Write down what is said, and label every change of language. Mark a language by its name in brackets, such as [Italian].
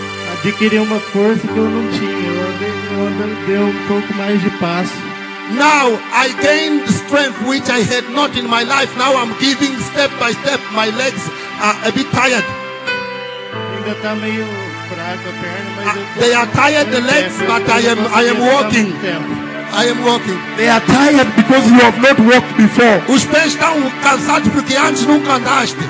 [Portuguese] Adquiri uma força que eu não tinha. Deu um pouco mais de paz. [English] Now I gained strength which I had not in my life. Now I'm giving step by step. My legs are a bit tired. They are tired, the legs, but I am walking. I am walking. They are tired because you have not walked before. [Portuguese] Os pés estão cansados porque antes nunca andaste.